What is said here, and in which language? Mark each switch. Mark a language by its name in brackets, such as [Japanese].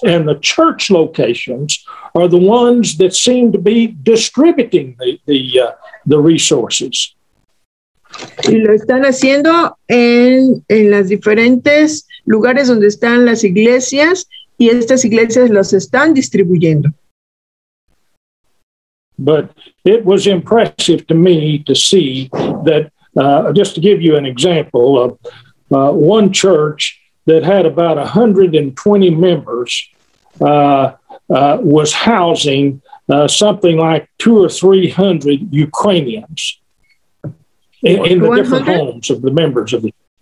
[English] And the church locations are the ones that seem to be distributing the resources. [Spanish] Y lo están haciendo en las diferentes lugares donde están las iglesias, y estas iglesias los están distribuyendo. [English] But it was impressive to me to see that, just to give you an example of one church that had about 120 members was housing something like 200 or 300 Ukrainians in the different homes of the members of the church.